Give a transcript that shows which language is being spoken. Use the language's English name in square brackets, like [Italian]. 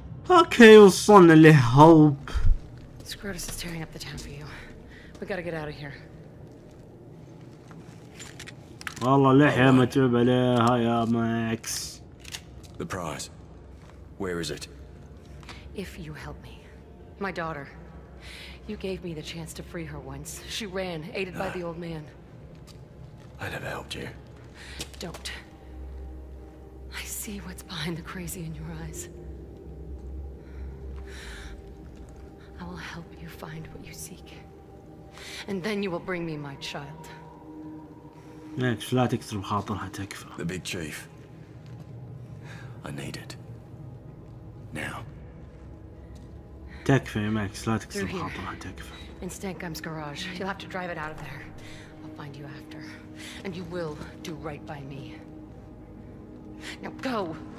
[English] Okay, [Arabic] وصلنا لهوب. [English] Scrotus is tearing up the town for you. We gotta get out of here. [Arabic] والله لحية متعوب عليها يا ماكس. [English] The prize. Where is it? If you help me. My daughter. You gave me the chance to free her once. She ran, aided by the old man. I never helped you. Don't. I see what's behind the crazy in your eyes. I will help you find what you seek. And then you will bring me my child. [Arabic] ماكس لا تكسر بخاطرها تكفى. [English] The big chief. I need it. Now. [Arabic] تكفى يا ماكس لا تكسر بخاطرها تكفى. [English] In Stankum's garage. You'll have to drive it out of there. I'll find you after. And you will do right by me. Now go!